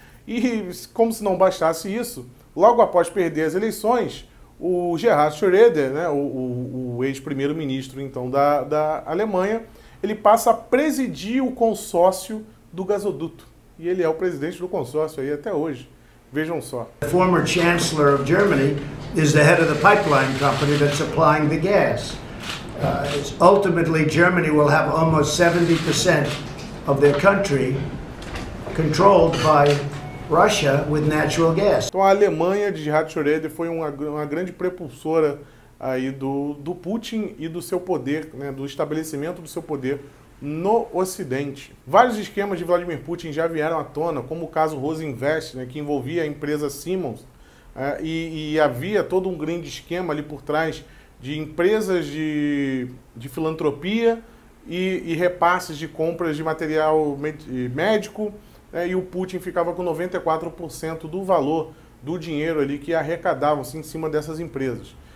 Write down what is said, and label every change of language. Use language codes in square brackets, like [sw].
[pt] E como se não bastasse isso, logo após perder as eleições, o Gerhard Schröder, né, o ex-primeiro-ministro então, da Alemanha, ele passa a presidir o consórcio do gasoduto. E ele é o presidente do consórcio aí até hoje. Vejam só. [en] O former chancellor of Germany is the head of the pipeline company that's supplying the gas. Ultimately, Germany will have almost 70% of their country controlled by Russia with natural gas. [pt] Então a Alemanha de Gerhard Schröder foi uma grande propulsora aí do Putin e do seu poder, né, do estabelecimento do seu poder no Ocidente. Vários esquemas de Vladimir Putin já vieram à tona, como o caso Rosinvest, né, que envolvia a empresa Siemens, e havia todo um grande esquema ali por trás de empresas de filantropia e repasses de compras de material médico, né, e o Putin ficava com 94% do valor do dinheiro ali que arrecadavam-se em cima dessas empresas.